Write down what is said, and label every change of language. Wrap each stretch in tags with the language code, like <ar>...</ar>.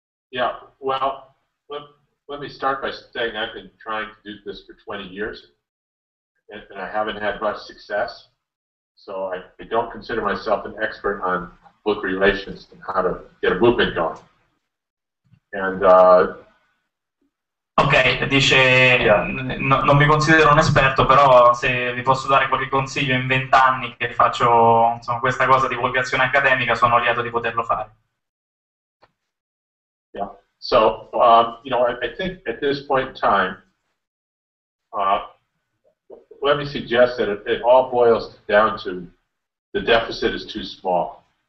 <en>Yeah, well, let me start by saying I've been trying to do this for 20 years. And I haven't had much success, so I don't consider myself an expert on public relations and how to get a movement going. And okay, dice, yeah.</en> <it>Non mi considero un esperto, però se vi posso dare qualche consiglio in 20 anni che faccio insomma, questa cosa di divulgazione accademica, sono lieto di poterlo fare.</it> <en>Yeah. So you know, I think at this point in time. Let me suggest that it all boils down to the deficit is too small.</en>